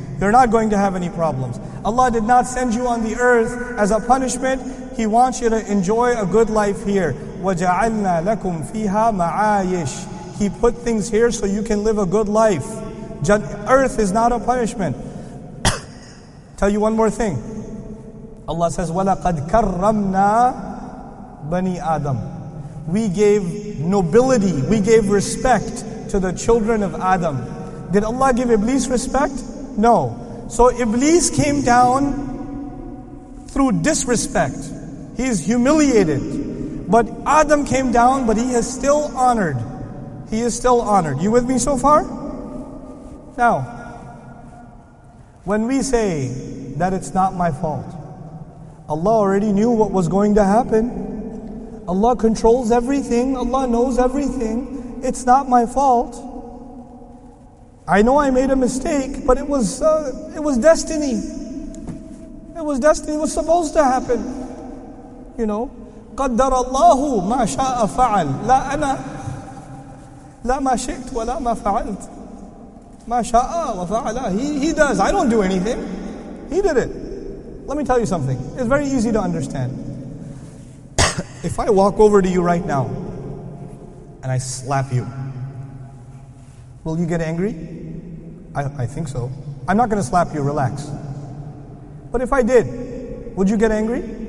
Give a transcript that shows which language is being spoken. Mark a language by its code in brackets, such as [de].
[en] They're not going to have any problems. Allah did not send you on the earth as a punishment. He wants you to enjoy a good life here. [ar] وَجَعَلْنَا لَكُمْ فِيهَا مَعَايِشِ. [en] He put things here so you can live a good life. Earth is not a punishment. Tell you one more thing. Allah says, [ar] وَلَقَدْ كَرَّمْنَا بَنِي آدَمْ. [en] We gave nobility, we gave respect to the children of Adam. Did Allah give Iblis respect? No. So Iblis came down through disrespect. He's humiliated. But Adam came down, but he is still honored. He is still honored. You with me so far? Now, when we say that it's not my fault, Allah already knew what was going to happen. Allah controls everything. Allah knows everything. It's not my fault. I know I made a mistake, but it was destiny. It was destiny. It was supposed to happen. You know, [ar] قَدَّرَ اللَّهُ مَا شَاءَ فَعَلْ لَا أَنَا لَا مَا شِئْتْ وَلَا مَا فَعَلْتْ مَا شَاءَ وَفَعَلَ. [en] He does. I don't do anything. He did it. Let me tell you something. It's very easy to understand. If I walk over to you right now and I slap you, will you get angry? I think so. I'm not going to slap you, relax. But if I did, would you get angry?